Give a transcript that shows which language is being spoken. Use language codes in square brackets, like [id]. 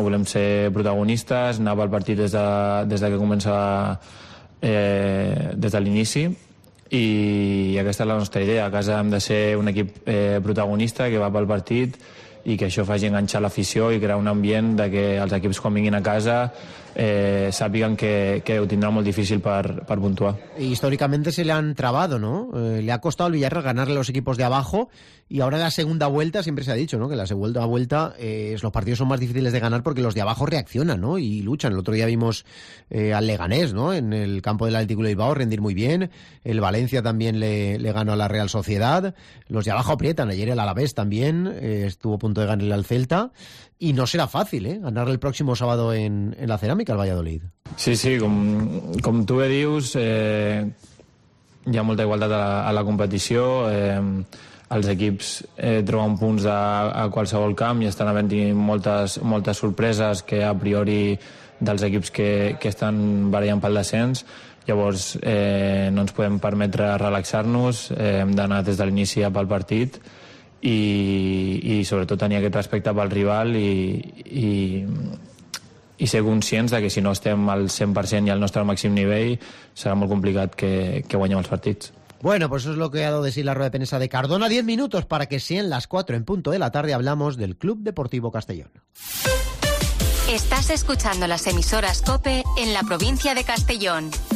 [ca] Volem ser protagonistes, anar pel partit des de que comença des de l'inici i aquesta és la nostra idea. A casa hem de ser un equip protagonista que va pel partit i que això faci enganxar l'afició i crear un ambient de que els equips quan vinguin a casa sàpiguen que ho tindrà molt difícil per puntuar. [es] Históricamente se le han trabado, ¿no? Le ha costado al Villarreal ganarle a los equipos de abajo y ahora en la segunda vuelta siempre se ha dicho, ¿no?, que en la segunda vuelta los partidos son más difíciles de ganar porque los de abajo reaccionan, ¿no?, y luchan. El otro día vimos al Leganés, ¿no?, en el campo del Athletic Club de Bilbao rendir muy bien. El Valencia también le ganó a la Real Sociedad. Los de abajo aprietan. Ayer el Alavés también estuvo a punto de ganarle al Celta. Y no será fácil, ¿eh?, ganarle el próximo sábado en la Cerámica al Valladolid. [ca] Sí, sí, com tu bé dius, hi ha molta igualtat a la competició. Els equips troben punts a qualsevol camp i estan havent-hi moltes sorpreses que a priori dels equips que estan variant pel descens. Llavors, no ens podem permetre relaxar-nos, hem d'anar des de l'inici pel partit. I sobretot tenir aquest respecte pel rival i ser conscients de que si no estem al 100% i al nostre màxim nivell serà molt complicat que guanyem els partits. [es] Bueno, pues eso es lo que ha dado de sí la rueda de prensa de Cardona. 10 minutos para que sean las 4 en punto de la tarde. Hablamos del Club Deportivo Castellón. Estás escuchando las emisoras COPE en la provincia de Castellón.